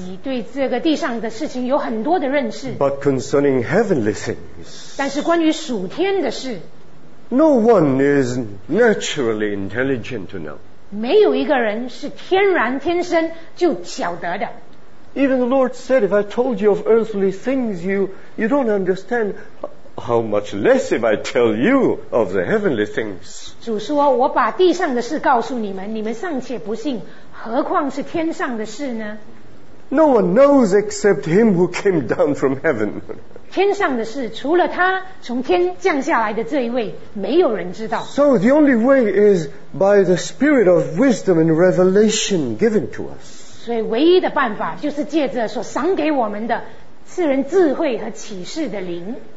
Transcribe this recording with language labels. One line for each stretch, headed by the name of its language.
Chinese: 你对这个地上的事情有很多的认识。
English: But concerning heavenly things,
Chinese: 但是关于属天的事，
English: No one is naturally intelligent to know.
Chinese: 没有一个人是天然天生就晓得的。
English: Even the Lord said, if I told you of earthly things, you don't understand, how much less if I tell you of the heavenly things.
Chinese: 主说，我把地上的事告诉你们，你们尚且不信，何况是天上的事呢？
English: No one knows except him who came down from heaven.
Chinese: 天上的事，除了他从天降下来的这一位，没有人知道。
English: So the only way is by the spirit of wisdom and revelation given to us.
Chinese: 所以唯一的办法就是借着所赏给我们的赐人智慧和启示的灵。